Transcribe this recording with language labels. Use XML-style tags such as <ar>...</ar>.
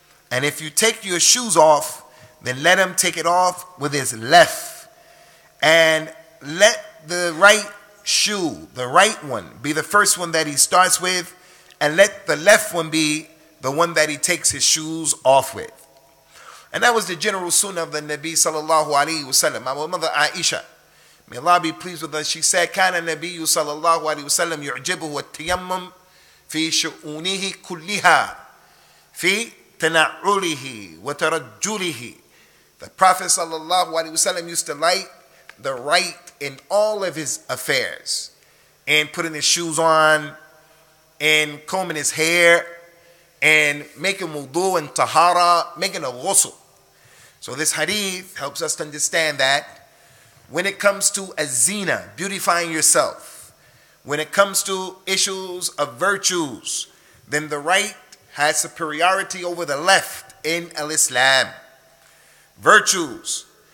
<en>And if you take your shoes off, then let him take it off with his left. And let the right shoe, the right one, be the first one that he starts with. And let the left one be the one that he takes his shoes off with. And that was the general sunnah of the Nabi sallallahu alayhi wa sallam. Our mother Aisha, may Allah be pleased with us, she said,</en> <ar>كان النبي صلى الله عليه وسلم يعجبه التيمم في شؤونه كلها في تنعوله وترجوله.</ar> <en>The Prophet</en> <ar>صلى الله عليه وسلم</ar> <en>used to like the right in all of his affairs, in putting his shoes on, in combing his hair, and making wudu and tahara, making a ghusl. So this hadith helps us to understand that when it comes to azina, beautifying yourself, when it comes to issues of virtues, then the right has superiority over the left in al-Islam. Virtues.</en>